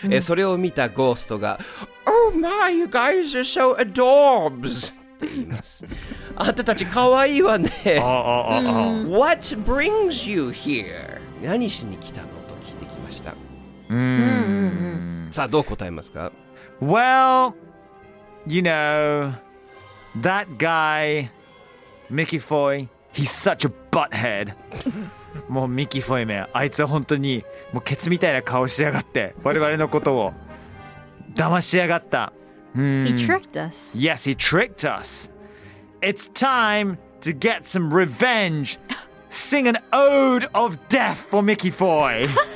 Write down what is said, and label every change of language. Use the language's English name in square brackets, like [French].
[Japanese] それを見たゴーストが、 [English] Oh my, you guys are so adorbs! [Japanese] って言います。あんたたち可愛いわね。 [English] What brings you here? [Japanese] 何しに来たのと聞いてきました。さあどう答えますか。 [English] Well, you know that guy, Mickey Foy, he's such a butthead. [Japanese] もうミキフォイめ、あいつは本当にもうケツみたいな顔しやがって、我々のことを騙しやがった。 [English] He tricked us. Yes, he tricked us. It's time to get some revenge. Sing an ode of death for Mickey Foy.